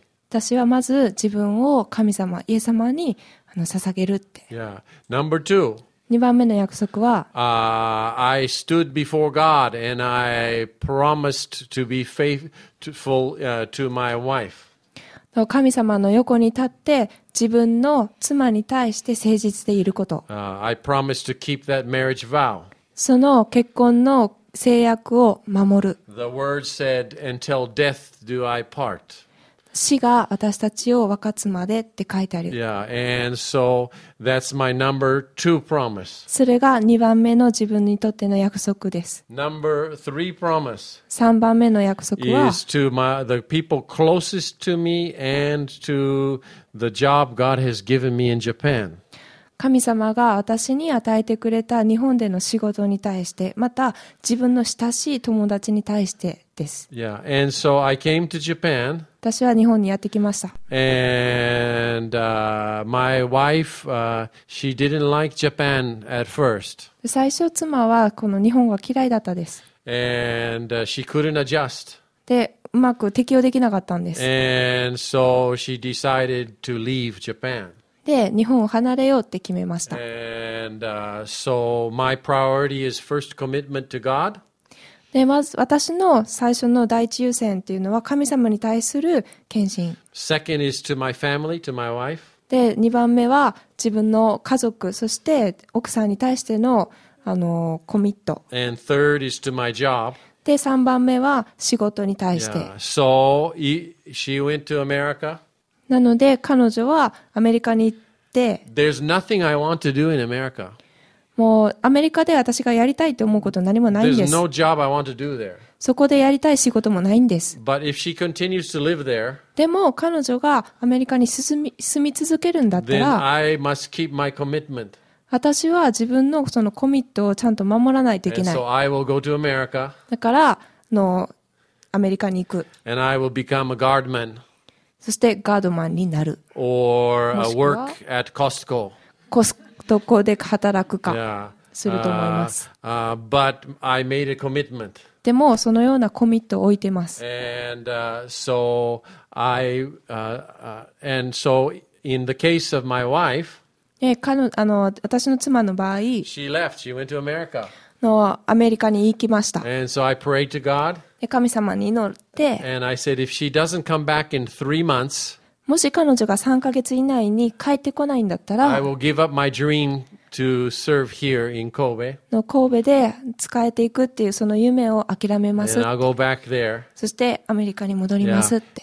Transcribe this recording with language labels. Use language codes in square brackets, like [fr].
[ja] 私はまず自分を神様、イエス様に捧げるって。 [en] Yeah. Number two. [ja] 二番目の約束は、 [en] I stood before God and I promised to be faithful to my wife. [ja] 神様の横に立って自分の妻に対して誠実でいること。 [en] I promised to keep that marriage vow. [ja] その結婚の契約を守る。 [en] The word said, "Until death do I part." [ja] 死が私たちを分かつまでって書いてある。 [en] Yeah, and so that's my number two promise. [ja] それが2番目の自分にとっての約束です。 [en] Number three promise. [ja] 三番目の約束は、 [en] is to my the people closest to me and to the job God has given me in Japan. [ja] 神様が私に与えてくれた日本での仕事に対して、また自分の親しい友達に対してです。 [en] Yeah. And so、I came to Japan. [ja] 私は日本にやってきました。 [en] And, my wife, she didn't like Japan at first. [ja] 最初妻はこの日本語が嫌いだったです。 [en] And, she couldn't adjust. [ja] で、うまく適応できなかったんです。 [en] And so she decided to leave Japan. [ja] で、日本を離れようって決めました。 [en] And, so my priority is first commitment to God. [ja] で、まず私の最初の第一優先っていうのは神様に対する献身。 [en] Second is to my family, to my wife. [ja] で、2番目は自分の家族、そして奥さんに対しての、コミット。 [en] And third is to my job. [ja] で、3番目は仕事に対して。 [en] Yeah. So, she went to America. [ja] なので彼女はアメリカに行って、 [en] There's nothing I want to do in America. [ja] もうアメリカで私がやりたいと思うこと何もないんです。 [en] There's no job I want to do there. [ja] そこでやりたい仕事もないんです。 [en] But if she continues to live there, [ja] でも彼女がアメリカに住み続けるんだったら、 [en] then I must keep my commitment. [ja] 私は自分のそのコミットをちゃんと守らないといけない。 [en] And so I will go to America. [ja] だからのアメリカに行く。 [en] And I will become a guardman. [ja] そしてガードマンになる。 [en] Or work at Costco. [ja] コストコで働くかすると思います。 [en] But I made a commitment. [ja] でもそのようなコミットを置いてます。 [en] And so I and so in the case of my wife. [ja] 私の妻の場合。 [en] She left. She went to America. [ja] のアメリカに行きました。 [en] And so I prayed to God. [ja] 神様に祈って、 [en] And I said, if she doesn't come back in three months, [ja] もし彼女が3ヶ月以内に帰ってこないんだったら、 [en] I will give up my dream to serve here in Kobe. [ja] の神戸で仕えていくっていうその夢を諦めます。 [en] And I'll go back there. [ja] そしてアメリカに戻りますって。